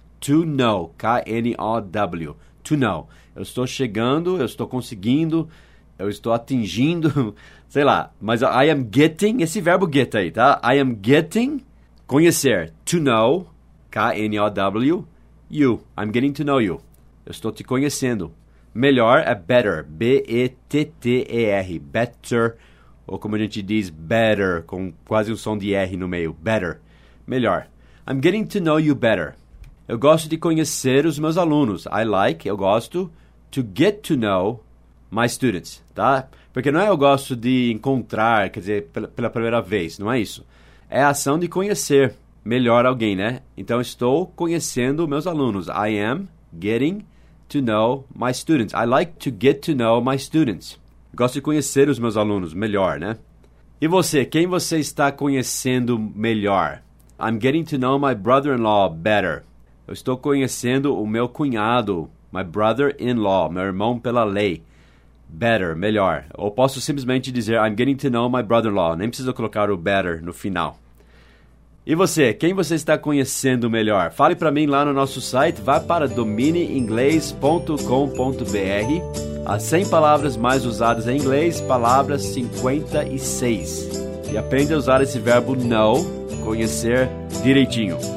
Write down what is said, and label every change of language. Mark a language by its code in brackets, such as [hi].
[pt] To know, K-N-O-W, to know. Eu estou chegando, eu estou conseguindo, eu estou atingindo, sei lá, mas [en] I am getting, [pt] esse verbo get aí, tá? [en] I am getting, [pt] conhecer, [en] to know, K-N-O-W, you, I'm getting to know you. [pt] Eu estou te conhecendo. Melhor é better, B-E-T-T-E-R, better, ou como a gente diz, better, com quase um som de R no meio, better, melhor. [en] I'm getting to know you better. [pt] Eu gosto de conhecer os meus alunos. [en] I like, [pt] eu gosto, [en] to get to know my students, tá? [pt] Porque não é eu gosto de encontrar, quer dizer, pela primeira vez, não é isso. É a ação de conhecer melhor alguém, né? Então, estou conhecendo meus alunos. [en] I am getting to know my students. I like to get to know my students. [pt] Gosto de conhecer os meus alunos melhor, né? E você, quem você está conhecendo melhor? [en] I'm getting to know my brother-in-law better. [pt] Eu estou conhecendo o meu cunhado, [en] my brother-in-law, [pt] meu irmão pela lei. [en] Better, [pt] melhor. Ou posso simplesmente dizer, [en] I'm getting to know my brother-in-law. [pt] Nem preciso colocar o better no final. E você, quem você está conhecendo melhor? Fale para mim lá no nosso site, vá para domineinglês.com.br. As 100 palavras mais usadas em inglês, palavra 56. E aprenda a usar esse verbo know, conhecer, direitinho.